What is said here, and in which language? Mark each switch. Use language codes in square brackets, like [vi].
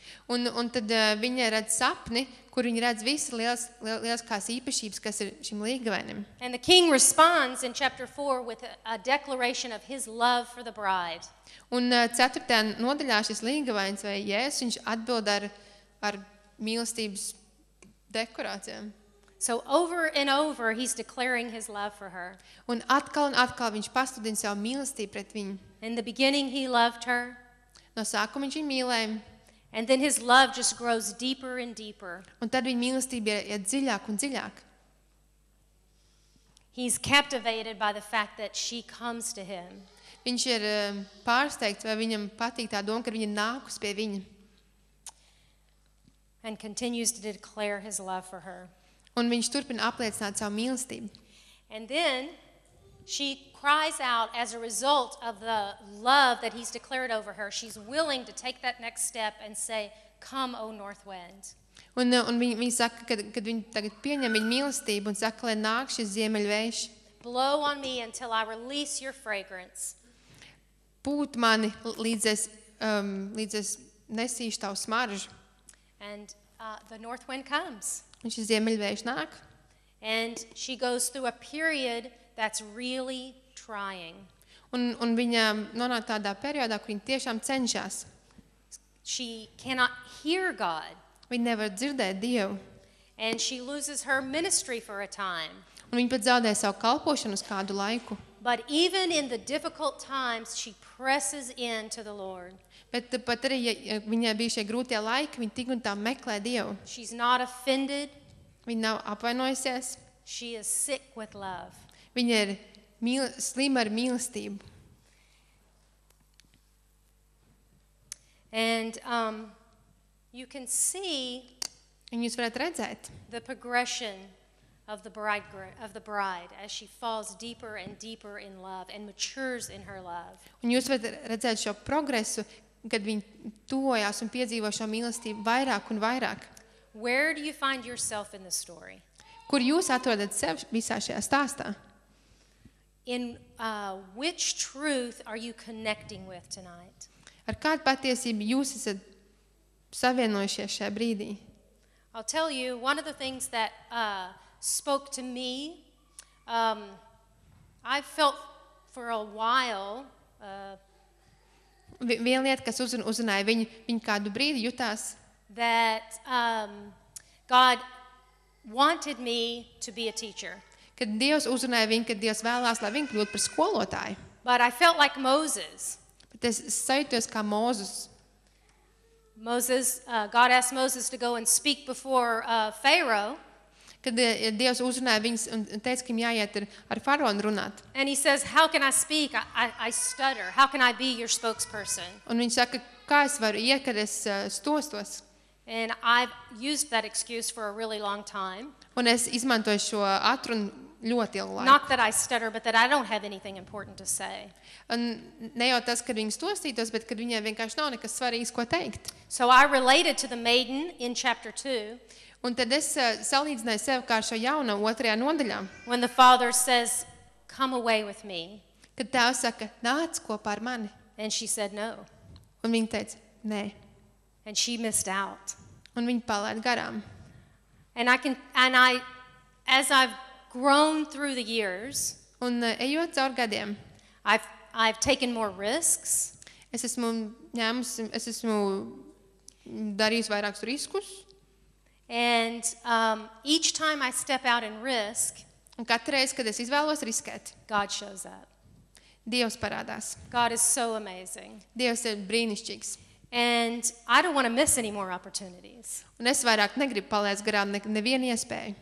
[lv] Un tad viņa redz sapni, kur viņa redz visas lieliskās īpašības, kas ir šim līgavainim. [en] And the king responds in chapter 4 with a declaration of his love for the bride. [lv] Un ceturtajā nodaļā šis līgavains vai Jēzus, viņš atbild ar mīlestības dekorācijām. [en] So over and over he's declaring his love for her. [lv] Un atkal viņš pasludina savu mīlestību pret viņu. [en] In the beginning he loved her. [lv] No sākuma viņš viņu mīlēja. [en] And then his love just grows deeper and deeper. [lv] Un tad viņa mīlestība iet dziļāk un dziļāk. [en] He's captivated by the fact that she comes to him. [lv] Viņš ir pārsteigts, vai viņam patīk tā doma, ka viņa nākus pie viņa. [en] And continues to declare his love for her. [lv] Un viņš turpina apliecināt savu mīlestību. [en] And then she cries out as a result of the love that he's declared over her. She's willing to take that next step and say, come, O north wind. [lv] Un viņa saka, kad viņa tagad pieņem viņa mīlestību un saka, lai nāk šis ziemeļvējš. [en] Blow on me until I release your fragrance. [lv] Pūt mani, līdz es nesīšu tavu smaržu. [en] And the north wind comes. [lv] Un šis ziemeļvējš nāk. [en] And she goes through a period that's really trying. [lv] Un viņa nonāk tādā periodā, kur viņa tiešām cenšas. [en] She cannot hear God. [lv] Viņa nevar dzirdēt Dievu. [en] And she loses her ministry for a time. [lv] Un viņa pat zaudē savu kalpošanu uz kādu laiku. [en] But even in the difficult times, she presses in to the Lord. [lv] Bet pat arī, ja viņai bija šie grūtie laiki, viņa tik un tā meklē Dievu. [en] She's not offended. [lv] Viņa nav apvainojusies. [en] She is sick with love. [lv] Viņa ir slima ar mīlestību. [en] And you can see [lv] un jūs varat redzēt [en] the progression of the bridegroom of the bride as she falls deeper and deeper in love and matures in her love. [lv] Un jūs varat redzēt šo progresu, kad viņa tuvojās un piedzīvo šo mīlestību vairāk un vairāk. [en] Where do you find yourself in the story? [lv] Kur jūs atrodat sevi visā šajā stāstā? [en] In which truth are you connecting with tonight? [lv] Ar kādu patiesību jūs esat savienojušies šajā brīdī? [en] I'll tell you one of the things that spoke to me. I felt for a while [lv] Viena lieta, kas uzrunāja viņu kādu brīdi jutās [en] that God wanted me to be a teacher. [lv] Kad Dievs uzrunāja viņu, kad Dievs vēlās, lai viņu kļūtu par skolotāju. [en] But I felt like Moses. [lv] Bet es sajūtos kā Mozus. [en] Moses, God asked Moses to go and speak before Pharaoh. [lv] Kad Dievs uzrunāja viņus un teica, ka viņam jāiet ar faraonu runāt. [en] And he says, how can I speak? I stutter. How can I be your spokesperson? [lv] Un viņš saka, kā es varu iet, kad es stostos? [en] And I've used that excuse for a really long time. [lv] Un es izmantoju šo atrunu ļoti ilgu laiku. [en] Not that I stutter, but that I don't have anything important to say. [lv] Un ne jau tas, kad viņi stostītos, bet kad viņai vienkārši nav nekas svarīgs, ko teikt. [en] So I related to the maiden in chapter 2. [lv] Un tad es salīdzināju sevi kā šo jauno otrajā nodaļā. [en] When the father says, come away with me. [lv] Kad tēvs saka, nāc kopā ar mani. [en] And she said, no. [lv] Un viņa teica, nē. [en] And she missed out. [lv] Un viņa palēd garām. [en] And I can and I as I've grown through the years [lv] un ejot caur gadiem [en] I've taken more risks [lv] es esmu darījis vairākus riskus [en] and each time I step out in risk [lv] un katru reizi kad es izvēlos riskēt [en] God shows up [lv] Dievs parādās [en] God is so amazing [lv] Dievs ir brīnišķīgs [en] And I don't want to miss any more opportunities. [lv] Un es vairāk negribu palēst garām nevienu iespēju.